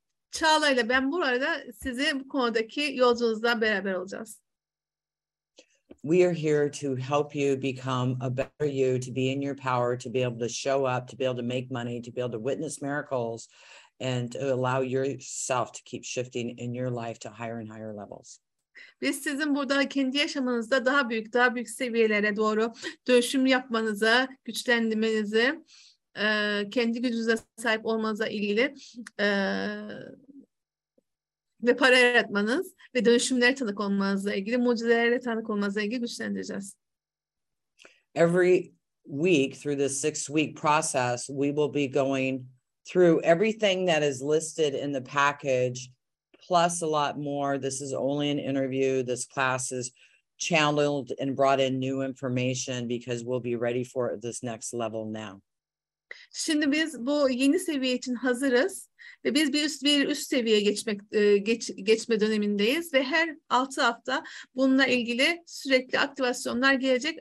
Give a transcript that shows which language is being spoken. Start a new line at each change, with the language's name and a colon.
Turkish: Çağla ile ben bu arada sizi bu konudaki yolculuğunuzla beraber olacağız.
English: We are here to help you become a better you, to be in your power, to be able to show up, to be able to make money, to be able to witness miracles, and to allow yourself to keep shifting in your life to higher and higher levels.
Turkish: Biz sizin burada kendi yaşamınızda daha büyük seviyelere doğru dönüşüm yapmanıza, güçlendirmenizi, kendi gücünüze sahip olmanıza ilgili ve para yaratmanız ve dönüşümlere tanık olmanızla ilgili, mucizelere tanık olmanızla ilgili güçlendireceğiz.
English: Every week through this 6-week process, we will be going through everything that is listed in the package, plus a lot more. This is only an interview. This class is channeled and brought in new information because we'll be ready for this next level now.
Turkish: Şimdi biz bu yeni seviye için hazırız ve biz bir üst seviyeye geçme dönemindeyiz ve her 6 hafta bununla ilgili sürekli aktivasyonlar gelecek.